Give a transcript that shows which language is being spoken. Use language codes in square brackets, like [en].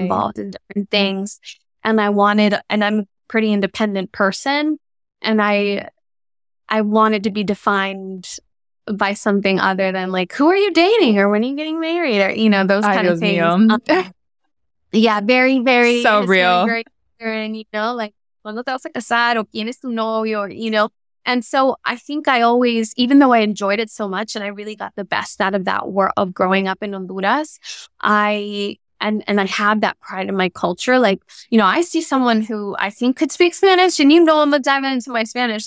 [en] to be involved in different things. And I'm a pretty independent person. And I wanted to be defined by something other than like, who are you dating, or when are you getting married, or, you know, those kind of things. Yeah, very, very. So real. And, you know, like, [es] ¿cuándo te vas a casar? ¿O quién es tu novio? [en] Or, you know. And so I think I always, even though I enjoyed it so much and I really got the best out of that world of growing up in Honduras, And I have that pride in my culture. Like, you know, I see someone who I think could speak Spanish, and you know, I'm diving into my Spanish.